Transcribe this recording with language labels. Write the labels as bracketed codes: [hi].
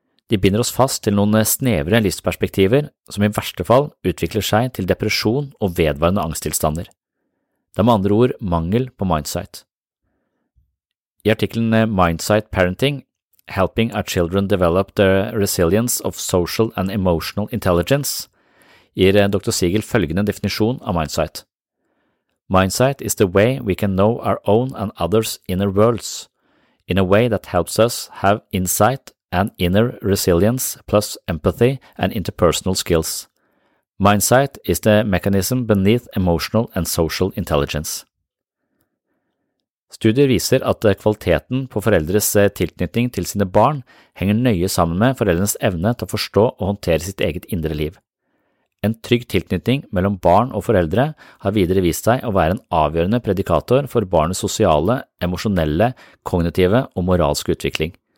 [no] De binder oss fast til noen snevre livsperspektiver som I verste fall utvikler seg til depresjon og vedvarende angsttilstander. Det med andre ord mangel på mindsight. I artiklen Mindsight Parenting Helping our children develop the resilience of social and emotional intelligence, gir Dr. Siegel følgende definisjon av mindsight. [en] Mindsight is the way we can know our own and others' inner worlds, in a way that helps us have insight and inner resilience plus empathy and interpersonal skills. Mindsight is the mechanism beneath emotional and social intelligence. [no] Studier viser at kvaliteten på foreldres tilknytning til sine barn henger nøye sammen med foreldrenes evne til å forstå og håndtere sitt eget indre liv. En trygg tilknytning mellom barn og foreldre har videre vist seg å være en avgjørende predikator for barnets sosiale, emosjonelle, kognitive og moralske utvikling.